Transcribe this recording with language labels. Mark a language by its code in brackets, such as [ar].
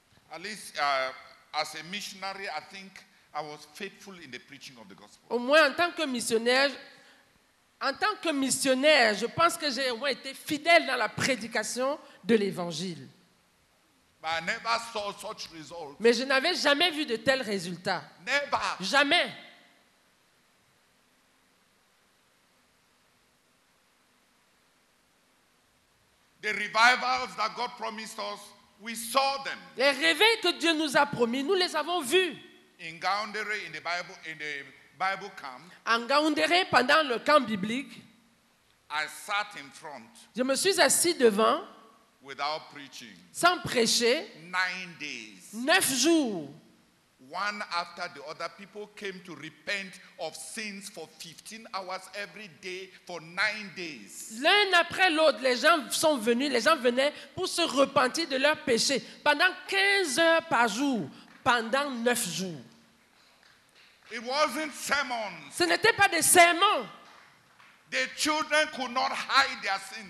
[en] At least, as a missionary, I think I was faithful in the preaching of the gospel. [fr] Au moins, en tant que missionnaire, je pense que j'ai été fidèle dans la prédication de l'évangile. [en] But I never saw such results. [fr] Mais je n'avais jamais vu de tels résultats. [en] Never. [fr] Jamais. [en] The revivals that God promised us, we saw them. [fr] Les réveils que Dieu nous a promis, nous les avons vus. [en] In Gaoundéré, in the Bible, in the Bible camp. [fr] En Gaoundéré, pendant le camp biblique, [en] I sat in front. [fr] Je me suis assis devant. [en] Without preaching. [fr] Sans prêcher. [en] 9 days. [fr] 9 jours. [en] One after the other, people came to repent of sins for 15 hours every day for 9 days. [fr] L'un après l'autre, les gens venaient pour se repentir de leurs péchés pendant 15 heures par jour, pendant 9 jours. [en] It wasn't sermons. [fr] Ce n'était pas des sermons. [en] The children could not hide their sins.